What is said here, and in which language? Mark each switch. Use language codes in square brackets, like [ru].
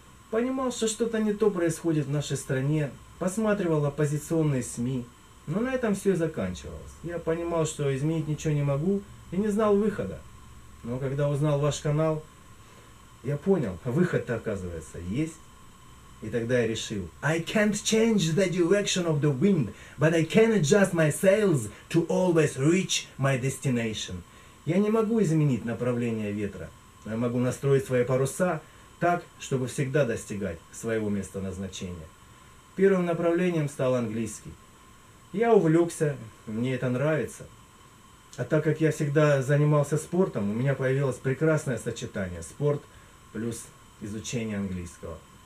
[ru] Понимал, что что-то не то происходит в нашей стране. Посматривал оппозиционные СМИ. Но на этом все и заканчивалось. Я понимал, что изменить ничего не могу и не знал выхода. Но когда узнал ваш канал, я понял, выход-то, оказывается, есть. И тогда я решил. [en] I can't change the direction of the wind, but I can adjust my sails to always reach my destination. [ru] Я не могу изменить направление ветра, но я могу настроить свои паруса так, чтобы всегда достигать своего места назначения. Первым направлением стал английский. Я увлекся, мне это нравится. А так как я всегда занимался спортом, у меня появилось прекрасное сочетание спорт плюс изучение английского.